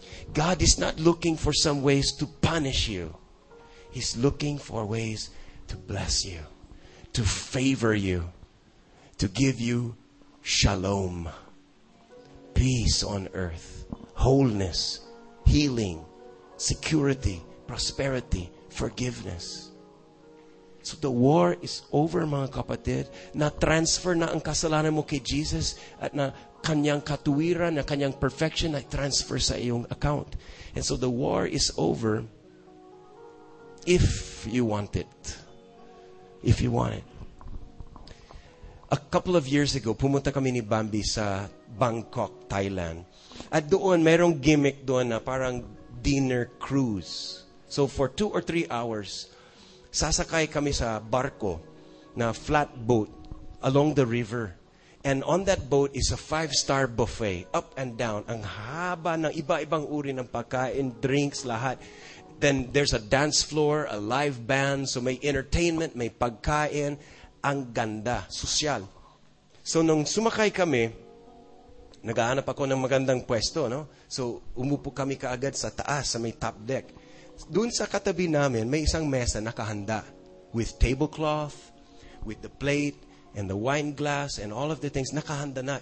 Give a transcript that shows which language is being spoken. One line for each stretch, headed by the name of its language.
English: God is not looking for some ways to punish you. He's looking for ways to bless you, to favor you, to give you shalom, peace on earth, wholeness, healing, security, prosperity, forgiveness. So the war is over,
Filipino: mga kapatid. Na-transfer na ang kasalanan mo kay Jesus at na kanyang katuwiran, na kanyang perfection na transfer sa iyong account.
English: And so the war is over if you want it. If you want it. A couple of years ago,
Filipino: pumunta kami ni Bambi sa Bangkok, Thailand. At doon, mayroong gimmick doon na parang dinner cruise. So for 2 or 3 hours, sasakay kami sa barko na flat boat
English: along the river. And on that boat is a 5-star buffet, up and down.
Filipino: Ang haba ng iba-ibang uri ng pagkain, drinks, lahat.
English: Then there's a dance floor, a live band.
Filipino: So may entertainment, may pagkain. Ang ganda, sosyal. So nung sumakay kami, nagahanap ako ng magandang pwesto, no? So umupo kami kaagad sa taas, sa may top deck. Doon sa katabi namin, may isang mesa nakahanda
English: with tablecloth, with the plate, and the wine glass, and all of the things,
Filipino: nakahanda na.